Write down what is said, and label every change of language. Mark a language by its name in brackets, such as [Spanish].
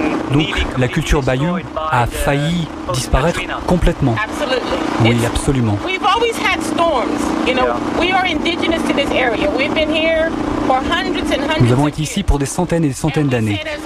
[French] Donc, la culture Bayou a failli disparaître complètement. Oui, absolument. [English] We've always had storms. You know, we are indigenous to this area. We've been here for hundreds and hundreds. [French] Nous avons été ici pour des centaines et des centaines d'années.